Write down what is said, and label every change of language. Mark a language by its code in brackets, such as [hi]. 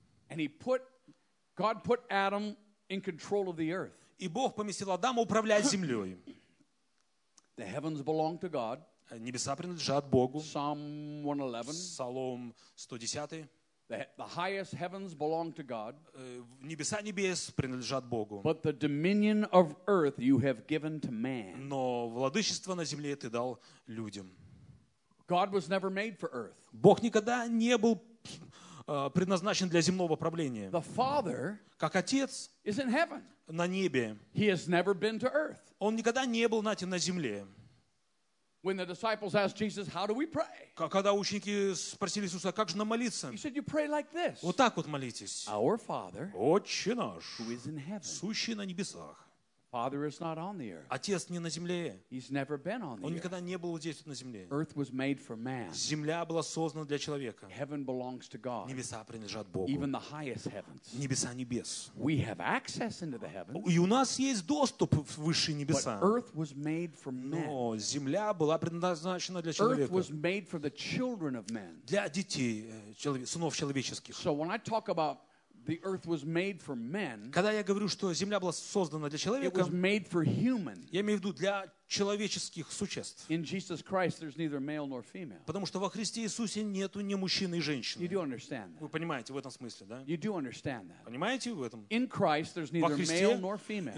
[en] And he put, God put Adam in control of the earth. [ru] И Бог поместил Адама управлять землей. [en] The heavens belong to God. [ru] Небеса принадлежат Богу. [en] Psalm 111. [ru] Псалом 110. [en] The highest heavens belong to God. [ru] Небеса небес принадлежат Богу. [en] But the dominion of earth you have given to man. [ru] Но владычество на земле ты дал людям. [en] God was never made for earth. [ru] Бог никогда не был предназначен для земного правления. [en] The Father [ru] как Отец [en] is in heaven. [ru] На небе. [en] He has never been to earth. [ru] Он никогда не был на земле. [en] When the disciples asked Jesus, "How do we pray?" [ru] Когда ученики спросили Иисуса, как же нам молиться? [en] He said, "You pray like this." [ru] Вот так вот молитесь. [en] Our Father, [ru] Отче наш, [en] who is in heaven, [ru] сущий на небесах. [en] Father is not on the earth. [ru] Отец не на земле. [en] He's never been on the earth. [ru] Он никогда не был здесь на земле. [en] Earth was made for man. [ru] Земля была создана для человека. [en] Heaven belongs to God. [ru] Небеса принадлежат Богу. [en] Even the highest heavens. [ru] Небеса небес. [en] We have access into the heavens. [ru] И у нас есть доступ в высшие небеса. [en] But earth was made for man. [ru] Но земля была предназначена для человека. [en] Earth was made for the children of men. [ru] Для детей, сынов человеческих. [en] So when I talk about the earth was made for men. [ru] Когда я говорю, что земля была создана для человека, [en] it was made for human. [ru] Я имею в виду для человеческих существ. [en] In Jesus Christ, there's neither male nor female. [ru] Потому что во Христе Иисусе нету ни мужчины, ни женщины. [en] You do understand that? [ru] Вы понимаете в этом смысле, да? [en] You do understand that? [ru] Понимаете в этом? [en] In Christ, there's neither male nor female.